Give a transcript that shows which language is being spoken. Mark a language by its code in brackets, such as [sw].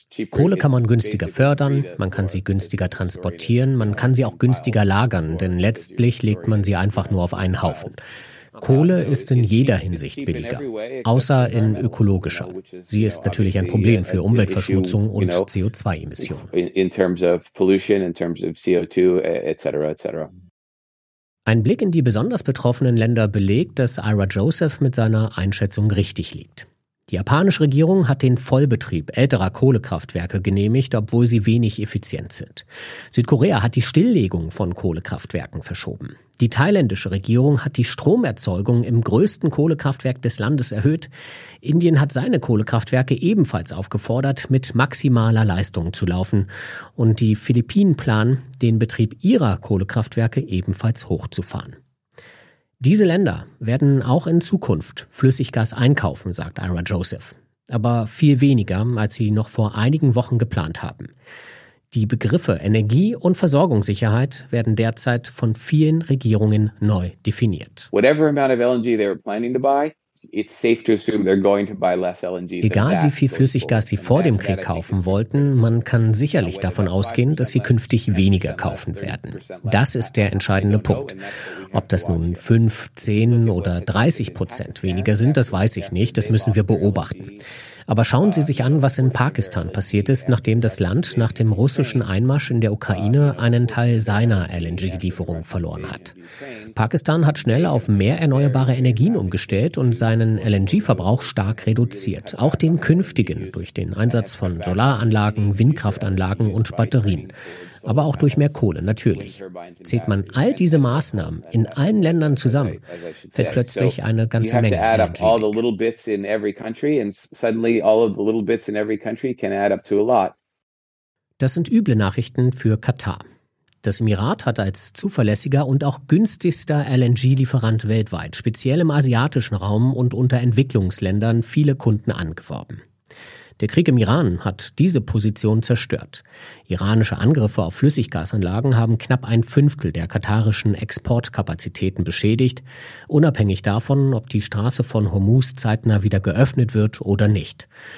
[de] Kohle kann man günstiger fördern, man kann sie günstiger transportieren, man kann sie auch günstiger lagern, denn letztlich legt man sie einfach nur auf einen Haufen. Kohle ist in jeder Hinsicht billiger, außer in ökologischer. Sie ist natürlich ein Problem für Umweltverschmutzung und CO2-Emissionen. [en] In terms of pollution, in terms of CO2, etc., etc. [de] Ein Blick in die besonders betroffenen Länder belegt, dass Ira Joseph mit seiner Einschätzung richtig liegt. Die japanische Regierung hat den Vollbetrieb älterer Kohlekraftwerke genehmigt, obwohl sie wenig effizient sind. Südkorea hat die Stilllegung von Kohlekraftwerken verschoben. Die thailändische Regierung hat die Stromerzeugung im größten Kohlekraftwerk des Landes erhöht. Indien hat seine Kohlekraftwerke ebenfalls aufgefordert, mit maximaler Leistung zu laufen. Und die Philippinen planen, den Betrieb ihrer Kohlekraftwerke ebenfalls hochzufahren. Diese Länder werden auch in Zukunft Flüssiggas einkaufen, sagt Ira Joseph. Aber viel weniger, als sie noch vor einigen Wochen geplant haben. Die Begriffe Energie- und Versorgungssicherheit werden derzeit von vielen Regierungen neu definiert. [en] Whatever amount of LNG they were planning to buy, it's safe to assume they're going to buy less LNG. [de] Egal wie viel Flüssiggas sie vor dem Krieg kaufen wollten, man kann sicherlich davon ausgehen, dass sie künftig weniger kaufen werden. Das ist der entscheidende Punkt. Ob das nun 5, 10 oder 30% weniger sind, das weiß ich nicht. Das müssen wir beobachten. Aber schauen Sie sich an, was in Pakistan passiert ist, nachdem das Land nach dem russischen Einmarsch in der Ukraine einen Teil seiner LNG-Lieferung verloren hat. Pakistan hat schnell auf mehr erneuerbare Energien umgestellt und seinen LNG-Verbrauch stark reduziert. Auch den künftigen durch den Einsatz von Solaranlagen, Windkraftanlagen und Batterien. Aber auch durch mehr Kohle, natürlich. Zählt man all diese Maßnahmen in allen Ländern zusammen, fällt plötzlich eine ganze Menge LNG weg. [en] All the little bits in every country and suddenly all of the little bits in every country can add up to a lot. [de] Das sind üble Nachrichten für Katar. Das Emirat hat als zuverlässiger und auch günstigster LNG-Lieferant weltweit, speziell im asiatischen Raum und unter Entwicklungsländern, viele Kunden angeworben. Der Krieg im Iran hat diese Position zerstört. Iranische Angriffe auf Flüssiggasanlagen haben knapp ein Fünftel der katarischen Exportkapazitäten beschädigt, unabhängig davon, ob die Straße von Hormuz zeitnah wieder geöffnet wird oder nicht.